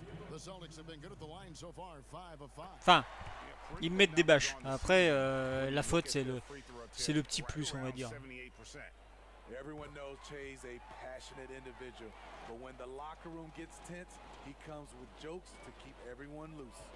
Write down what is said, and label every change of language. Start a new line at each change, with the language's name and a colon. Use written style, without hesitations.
English: The Celtics have been good at the line so far, 5 of 5.
French: Enfin, ils me mettent des bâches. Après, la faute, c'est le petit plus, on va dire.
English: Everyone knows Chase is a passionate individual, but when the locker room gets tense, he comes with jokes to keep everyone loose.